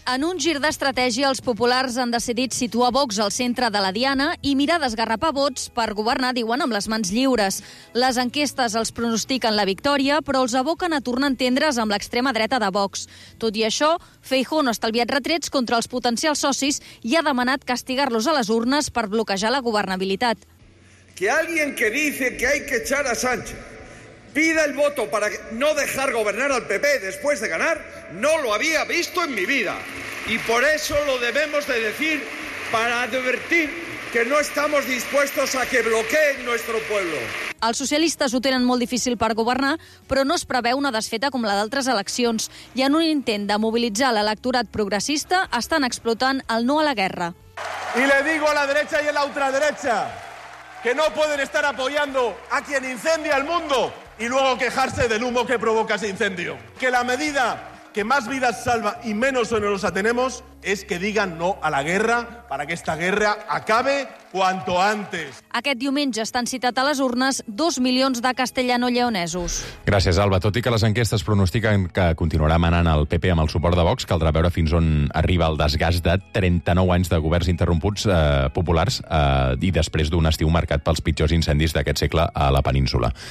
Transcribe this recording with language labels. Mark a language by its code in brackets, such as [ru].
[ca] En un gir d'estratègia, els populars han decidit situar Vox al centre de la diana i mirar d'esgarrapar vots per governar, diuen, amb les mans lliures. Les enquestes els pronostiquen la victòria, però els aboquen a tornar a entendre's amb l'extrema dreta de Vox. Tot i això, Feijóo no ha estalviat retrets contra els potencials socis i ha demanat castigar-los a les urnes per bloquejar la governabilitat. [es] Que alguien que dice que hay que echar a Sánchez pida el voto para no dejar gobernar al PP después de ganar, no lo había visto en mi vida. Y por eso lo debemos de decir para advertir que no estamos dispuestos a que bloqueen nuestro pueblo. [ca] Els socialistes ho tenen molt difícil per governar, però no es preveu una desfeta com la d'altres eleccions. I en un intent de mobilitzar l'electorat progressista, estan explotant el no a la guerra. [es] Y le digo a la derecha y a la ultraderecha que no pueden estar apoyando a quien incendia el mundo y luego quejarse del humo que provoca ese incendio. Que la medida que más vidas salva y menos onerosa tenemos es que digan no a la guerra para que esta guerra acabe cuanto antes. [ca] Aquest diumenge estan citat a les urnes 2 milions de castellano-lleonesos. Gràcies, Alba. Tot i que les enquestes pronostiquen que continuarà manant el PP amb el suport de Vox, caldrà veure fins on arriba el desgast de 39 anys de governs interromputs populars i després d'un estiu marcat pels pitjors incendis d'aquest segle a la península.